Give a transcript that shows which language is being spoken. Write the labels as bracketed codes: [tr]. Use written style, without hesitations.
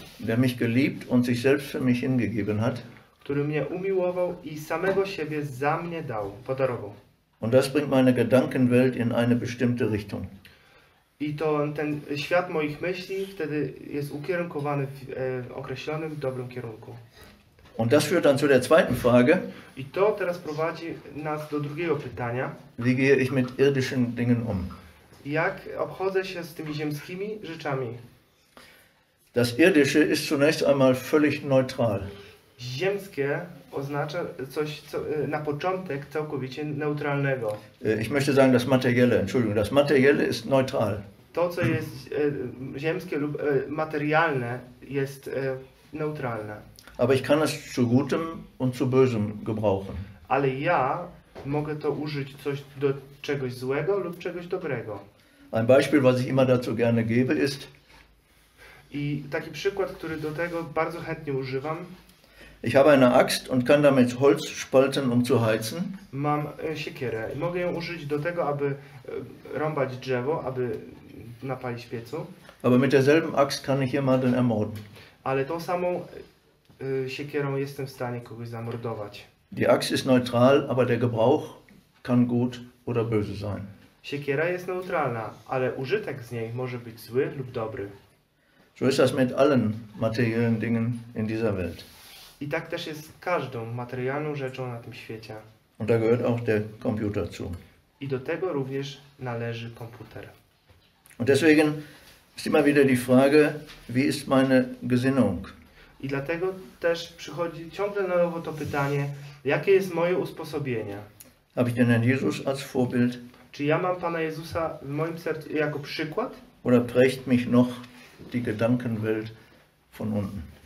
[de] Der mich geliebt und sich selbst für mich hingegeben hat. [pl] Który mnie umiłował i samego siebie za mnie dał, podarował. [de] Und das bringt meine Gedankenwelt in eine bestimmte Richtung. [pl] I to ten świat moich myśli wtedy jest ukierunkowany w określonym, dobrym kierunku. [de] Und das führt dann zu der zweiten Frage. [pl] I to teraz prowadzi nas do drugiego pytania. [de] Wie gehe ich mit irdischen Dingen um? [pl] Jak obchodzę się z tymi ziemskimi rzeczami? [de] Das Irdische ist zunächst einmal völlig neutral. [pl] Ziemskie oznacza coś, co na początek całkowicie neutralnego. [de] Ich möchte sagen, das Materielle, Entschuldigung, das Materielle ist neutral. [pl] To, co jest ziemskie lub materialne, jest neutralne. [de] Aber ich kann es zu Gutem und zu Bösem gebrauchen. [pl] Ale ja mogę to użyć coś do czegoś złego lub czegoś dobrego. [de] Ein Beispiel, was ich immer dazu gerne gebe, ist... [pl] I taki przykład, który do tego bardzo chętnie używam. [de] Ich habe eine Axt und kann damit Holz spalten, um zu heizen. [pl] Mam siekierę. Mogę ją użyć do tego, aby rąbać drzewo, aby napalić piecu. [de] Aber mit derselben Axt kann ich jemanden ermorden. [pl] Ale tą samą siekierą jestem w stanie kogoś zamordować. [de] Die Axt ist neutral, aber der Gebrauch kann gut oder böse sein. [pl] Siekiera jest neutralna, ale użytek z niej może być zły lub dobry. [de] So ist das mit allen materiellen Dingen in dieser Welt. [pl] I tak też jest z każdą materialną rzeczą na tym świecie. [de] Und da gehört auch der Computer zu. [pl] I do tego również należy komputer. [de] Und deswegen ist immer wieder die Frage, wie ist meine Gesinnung? [pl] I dlatego też przychodzi ciągle na nowo to pytanie, jakie jest moje usposobienie? [de] Habe ich denn Jesus als Vorbild? [pl] Czy ja mam Pana Jezusa w moim sercu jako przykład? [de] Oder prägt mich noch die Gedankenwelt von unten?